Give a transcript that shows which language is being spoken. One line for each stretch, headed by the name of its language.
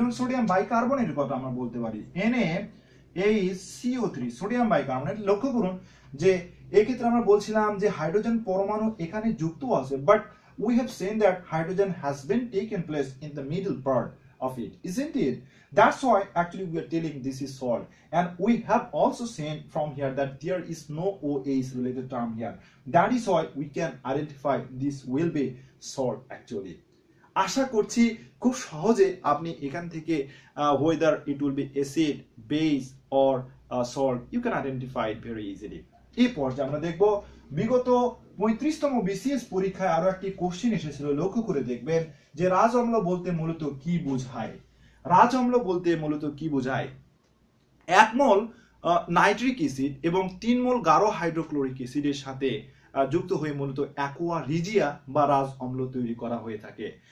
Bangla: যেমন সোডিয়াম বাইকার্বনেটের কথা আমরা বলতে পারি, NaHCO3, সোডিয়াম বাইকার্বনেট। লক্ষ্য করুন যে এক্ষেত্রে আমরা বলছিলাম যে হাইড্রোজেন পরমাণু এখানে যুক্ত আছে,
English: But we have seen that hydrogen has been taken place in the middle part of it, isn't it? That's why actually we are telling this is salt. And we have also seen from here that there is no OH related term here. That is why we can identify this will be salt actually.
Bangla: আশা করছি খুব সহজে আপনি এখান থেকে
English: whether it will be acid, base or salt, you can identify it very easily.
Bangla: এই পর্যায়ে আমরা দেখব বিগত 35তম BCS পরীক্ষায় আরো একটি কোশ্চেন এসেছিল। লক্ষ্য করে দেখবেন যে রাজ অম্ল বলতে মূলত কি বোঝায়। রাজ অম্ল বলতে মূলত কি বোঝায়, 1 মোল নাইট্রিক অ্যাসিড এবং 3 মোল গাঢ় হাইড্রোক্লোরিক অ্যাসিডের সাথে যুক্ত হয়ে মূলত অ্যাকোয়া রিজিয়া বা রাজ অম্ল তৈরি করা হয়ে থাকে।